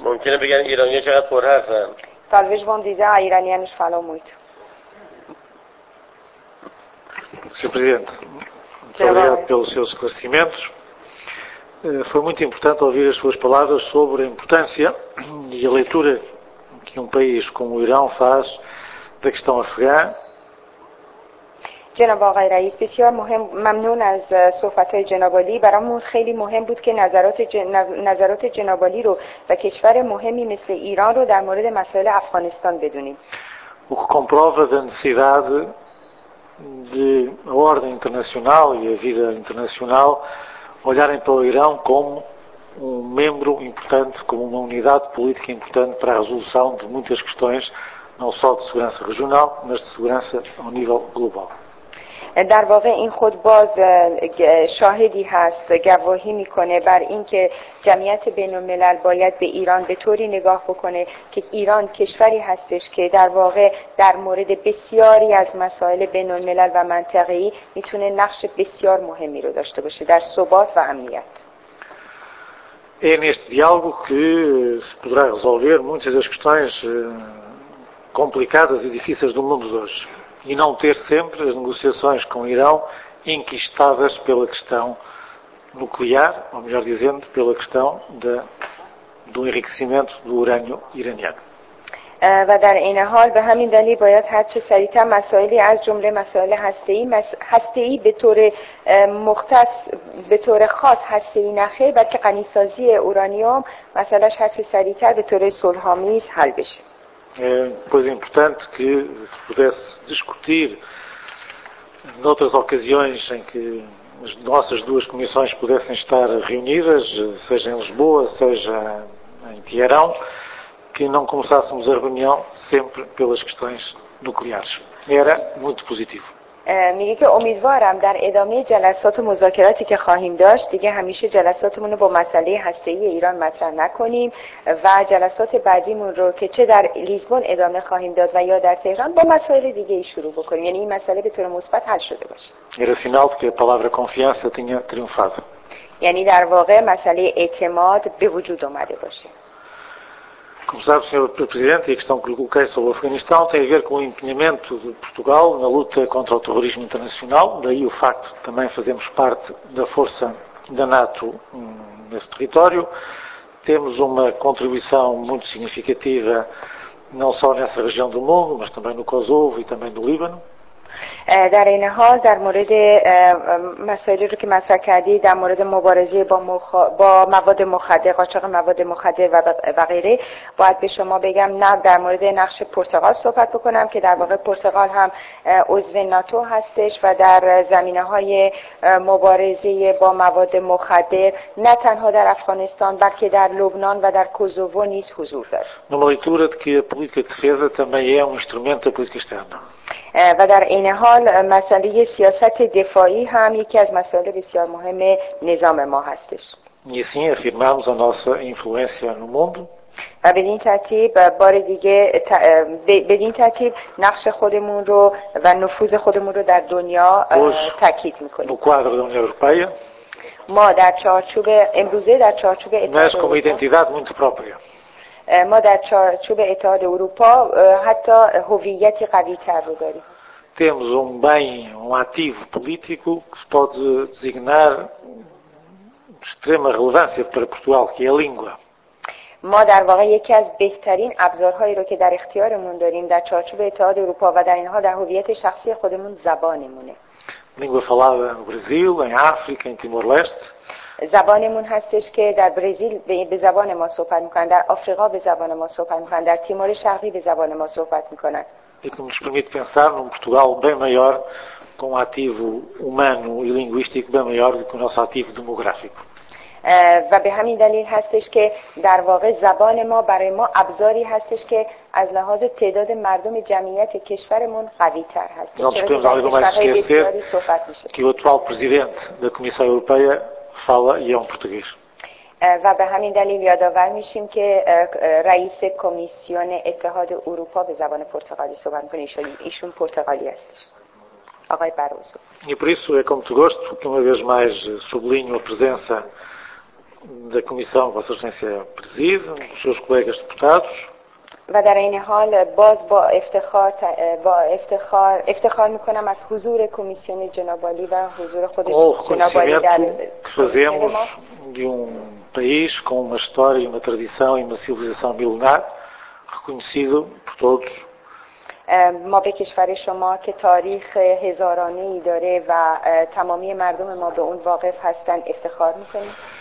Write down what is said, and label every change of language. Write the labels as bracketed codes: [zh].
[fa] ممکنه بگن ایرانی‌ها چقدر پرحرفن. [pt] Talvez vão dizer ah, iranianos falam muito. Senhor Presidente, muito obrigado pelos seus esclarecimentos. Foi muito importante ouvir as suas palavras sobre a importância e a leitura que um país como o Irão faz da questão afegã. [fa] جناب آقای رئیس بسیار مهم ممنون از صحبت‌های جناب عالی برامون خیلی مهم بود که نظرات جناب عالی رو و کشور مهمی مثل ایران رو در مورد مسائل افغانستان بدونیم. [pt] O que comprova da necessidade de a ordem internacional e a vida internacional olharem para o Irão como membro importante, como unidade política importante para a resolução de muitas questões, não só de segurança regional, mas de segurança ao nível global. [fa] در واقع این خود باز شاهدی هست گواهی میکنه بر اینکه جمعیت بین الملل باید به ایران به طوری نگاه بکنه که ایران کشوری هستش که در واقع در مورد بسیاری از مسائل بین الملل و منطقه‌ای میتونه نقش بسیار مهمی رو داشته باشه در ثبات و امنیت. [pt] É neste diálogo que se poderá resolver muitas das questões complicadas e difíceis do mundo de hoje. E não ter sempre as negociações com o Irão enquistadas pela questão nuclear, ou melhor dizendo, pela questão do enriquecimento do urânio iraniano. [fa] و در این حال به همین دلیل باید هرچه سریعتر مسائلی از جمله مسائل هسته‌ای به طور مختص به طور خاص هسته‌ای نخه بلکه غنی‌سازی اورانیوم مسئله‌اش هرچه سریعتر به طور صلح‌آمیز حل بشه. [pt] Pois é importante que se pudesse discutir noutras ocasiões em que as nossas duas comissões pudessem estar reunidas, seja em Lisboa, seja em Teherão, que não começássemos a reunião sempre pelas questões nucleares. Era muito positivo. [fa] میگه که امیدوارم در ادامه جلسات و مذاکراتی که خواهیم داشت دیگه همیشه جلساتمون رو با مسئله هسته‌ای ایران مطرح نکنیم و جلسات بعدیمون رو که چه در لیزبون ادامه خواهیم داد و یا در تهران با مسائل دیگه ای شروع بکنیم، یعنی این مسئله به طور مثبت حل شده باشه. یعنی در واقع مسئله اعتماد به وجود اومده باشه. [pt] Como sabe, Sr. Presidente, e a questão que lhe coloquei sobre o Afeganistão tem a ver com o empenhamento de Portugal na luta contra o terrorismo internacional, daí o facto de também fazermos parte da força da NATO nesse território. Temos uma contribuição muito significativa, não só nessa região do mundo, mas também no Kosovo e também no Líbano. [fa] در این حال در مورد مسائلی رو که مطرح کردی در مورد مبارزه با مواد مخدر قاچاق مواد مخدر و غیره باید به شما بگم نه در مورد نقش پرتغال صحبت بکنم که در واقع پرتغال هم عضو ناتو هستش و در زمینه‌های مبارزه با مواد مخدر نه تنها در افغانستان بلکه در لبنان و در کوزوو نیز حضور دارد. [pt] نمایتورت که پلیتیک دفاع também é um instrumento da política externa. [fa] و در این حال مسئله سیاست دفاعی هم یکی از مسائل بسیار مهم نظام ما هستش. [pt] نیسین افیرمامز آناس اینفلوئنسیا نو موندو. [fa] و بدین ترتیب بار دیگه بدین ترتیب نقش خودمون رو و نفوذ خودمون رو در دنیا تاکید میکنیم. [pt] نو کوادر دا اونیا اروپایا. [fa] ما در چارچوب امروزه در چارچوب اتحاد [pt] اروپا. نه کوم ایدنتیتات مونتو پروپریا. [fa] ما در چارچوب اتحاد اروپا حتی هویتی قوی تر رو داریم. [pt] Temos bem ativo político que se pode designar extrema relevância para Portugal, que é a língua. [fa] ما در واقع یکی از بهترین ابزارهایی رو که در اختیارمون داریم در چارچوب اتحاد اروپا و در اینها در هویت شخصی خودمون زبانمونه. [pt] Língua falada no Brasil, em África, em Timor-Leste. [fa] زبانمون هستش که در برزیل به زبان ما صحبت میکنن، در آفریقا به زبان ما صحبت میکنن، در تیمور شرقی به زبان ما صحبت میکنن. [pt] E que nos permite pensar num Portugal bem maior, com um ativo humano e linguístico bem maior do que o nosso ativo demográfico. [fa] و به همین دلیل هستش که در واقع زبان ما برای ما ابزاری هستش که از لحاظ تعداد مردم جمعیت کشورمون قوی تر هست. [pt] Não podemos algo mais esquecer que o atual presidente da Comissão Europeia fala e é português. [fa] و به همین دلیل یادآور میشیم که رئیس کمیسیون اتحاد اروپا به زبان پرتغالی صحبت کنه، ایشون پرتغالی هستش. آقای باروزو. [pt] E por isso é com muito gosto que uma vez mais sublinho a presença da comissão que a Vossa Excelência preside, dos seus colegas deputados. [fa] و در این حال باز با افتخار میکنم از حضور کمیسیون جناب عالی و حضور خود جناب عالی در [pt] que fazemos de país com uma história, uma tradição e uma civilização milenar reconhecido por todos. [fa] ما به کشور شما که تاریخ هزارانه ای داره و تمامی مردم ما به اون واقف هستن افتخار میکنیم.